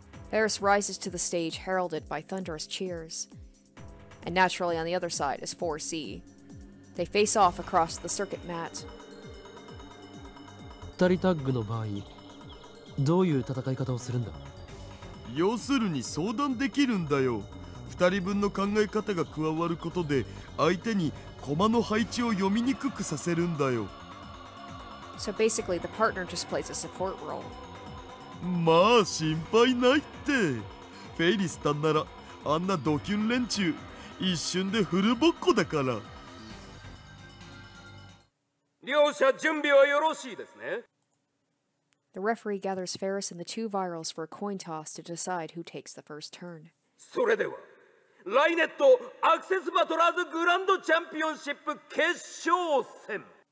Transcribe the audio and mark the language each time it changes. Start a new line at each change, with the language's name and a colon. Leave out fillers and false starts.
English: Faris rises to the stage, heralded by thunderous cheers. And naturally, on the other side is 4C. They face off across the circuit mat.
Japanese: タリタッグの場合、どういう戦い方をするんだ？要するに相談できるんだよ。2人分の考え方が加わることで、相手に駒の配置を読みにくくさせるんだよ。
English: So basically, the partner just plays a support role.
Japanese: まあ、心配ないって。フェイリスタンなら、あんなドキュン連中。一瞬でフルボッコだから。両者準備はよろしいですね。
English: The referee gathers Faris and the two virals for a coin toss to decide who takes the first turn.
Japanese: それでは、ライネットアクセスバトラーズグランドチャンピオンシップ決勝戦。